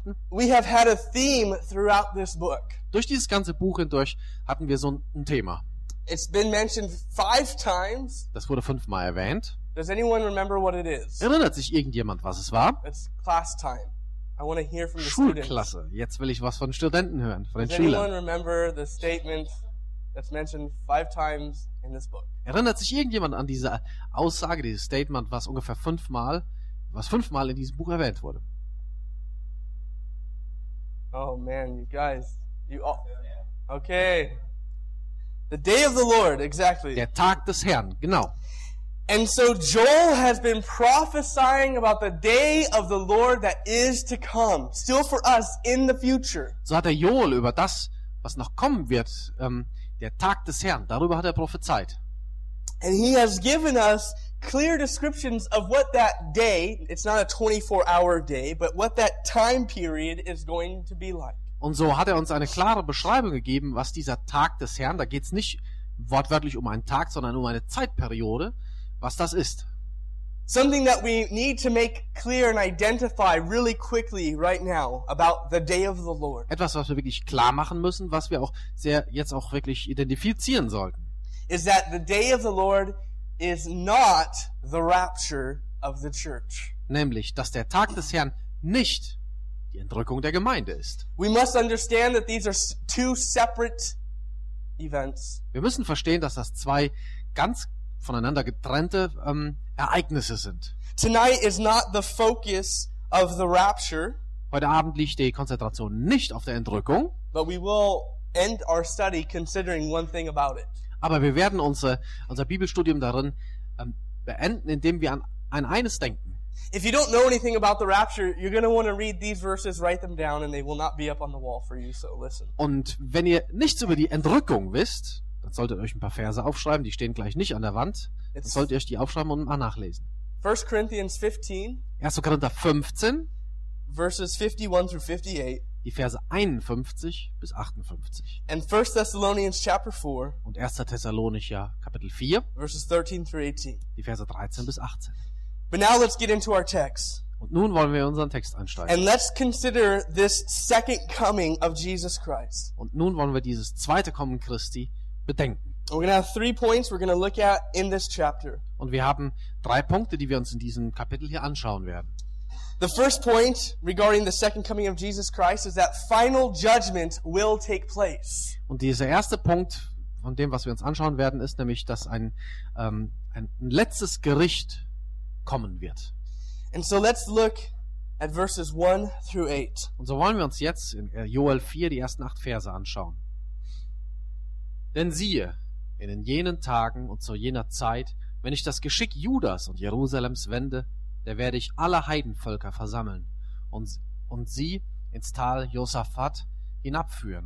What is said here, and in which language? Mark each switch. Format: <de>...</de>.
<en>We have had a theme throughout this book.</en> <de>Durch dieses ganze Buch hindurch hatten wir so ein Thema.</de> <en>It's been mentioned 5 times.</en> <de>Das wurde 5-mal erwähnt.</de> <en>Does anyone remember what it is?</en> <de>Erinnert sich irgendjemand, was es war?</de> <en>It's class time. I want to hear from the</en> <de>Schulklasse.</de> <en>Students.</en> <de>Jetzt will ich was von Studenten hören, von</de> <en>Does</en> <de>den Schülern.</de> <en>Does anyone remember the statement that's mentioned 5 times in this book?</en> <de>Erinnert sich irgendjemand an diese Aussage, dieses Statement, was ungefähr fünfmal in diesem Buch erwähnt wurde?</de> <en>Oh man, you guys, you all. Okay. The day of the Lord, exactly.</en> <de>Der Tag des Herrn, genau.</de> <en>And so Joel has been prophesying about the day of the Lord that is to come, still for us in the future.</en> <de>So hat der Joel über das, was noch kommen wird, der Tag des Herrn, darüber hat er prophezeit.</de> <en>And he has given us clear descriptions of what that day, it's not a 24-hour day, but what that time period is going to be like.</en> <de>Und so hat er uns eine klare Beschreibung gegeben, was dieser Tag des Herrn, da geht es nicht wortwörtlich um einen Tag, sondern um eine Zeitperiode, was das ist.</de> <en>Something that we need to make clear and identify really quickly right now about the day of the Lord.</en> <de>Etwas, was wir wirklich klar machen müssen, was wir auch jetzt auch wirklich identifizieren sollten.</de> <en>Is that the day of the Lord is not the rapture of the church.</en> <de>Nämlich, dass der Tag des Herrn nicht die Entrückung der Gemeinde ist.</de> <en>We must understand that these are two separate events.</en> <de>Wir müssen verstehen, dass das zwei ganz voneinander getrennte Ereignisse sind.</de> <en>Tonight is not the focus of the rapture.</en> <de>Heute Abend liegt die Konzentration nicht auf der Entrückung.</de> <en>But we will end our study considering one thing about it.</en> <de>Aber wir werden unser Bibelstudium darin beenden, indem wir an eines denken.</de> <en>If you don't know anything about the rapture, you're going to want to read these verses, write them down, and they will not be up on the wall for you, so listen.</en> <de>Und wenn ihr nichts über die Entrückung wisst, dann solltet ihr euch ein paar Verse aufschreiben, die stehen gleich nicht an der Wand, dann solltet ihr euch die aufschreiben und mal nachlesen.</de> <en>1. Corinthians 15,</en> <de>1. Korinther 15,</de> <en>verses 51 through 58,</en> <de>die Verse 51 bis 58.</de> <en>And 1 Thessalonians chapter 4.</en> <de>Und 1. Thessalonicher Kapitel 4.</de> <en>Verses 13 through 18.</en> <de>Die Verse 13 bis 18.</de> <en>But now let's get into our text.</en> <de>Und nun wollen wir unseren Text einsteigen.</de> <en>And let's consider this second coming of Jesus Christ.</en> <de>Und nun wollen wir dieses zweite Kommen Christi bedenken.</de> <en>We're going to have 3 points we're going to look at in this chapter.</en> <de>Und wir haben 3 Punkte, die wir uns in diesem Kapitel hier anschauen werden.</de> <en>The first point regarding the second coming of Jesus Christ is that final judgment will take place.</en> <de>Und dieser erste Punkt von dem, was wir uns anschauen werden, ist nämlich, dass ein letztes Gericht kommen wird.</de> <en>And so let's look at verses 1 through 8.</en> <de>Und so wollen wir uns jetzt in Joel 4 die ersten 8 Verse anschauen. Denn siehe, in jenen Tagen und zu jener Zeit, wenn ich das Geschick Judas und Jerusalems wende, da werde ich alle Heidenvölker versammeln und sie ins Tal Josaphat hinabführen.</de>